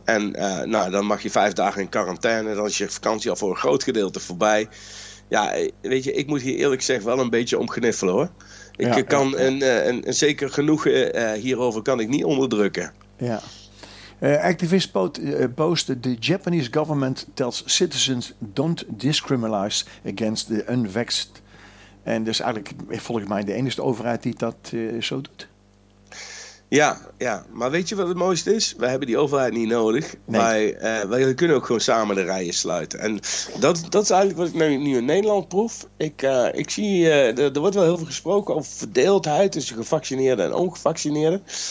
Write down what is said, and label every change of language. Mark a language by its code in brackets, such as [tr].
[nl] En dan mag je 5 dagen in quarantaine. Dan is je vakantie al voor een groot gedeelte voorbij. Ja, weet je, ik moet hier eerlijk gezegd wel een beetje om gniffelen, hoor. Een zeker genoegen hierover kan ik niet onderdrukken. Ja. [en] Activist posted, the Japanese government tells citizens don't discriminate against the unvaxxed. [nl] En dus eigenlijk volgens mij de enige overheid die dat zo doet. Ja, ja, maar weet je wat het mooiste is? We hebben die overheid niet nodig. Nee. Wij kunnen ook gewoon samen de rijen sluiten. En dat is eigenlijk wat ik nu in Nederland proef. Ik zie, er wordt wel heel veel gesproken over verdeeldheid tussen gevaccineerden en ongevaccineerden.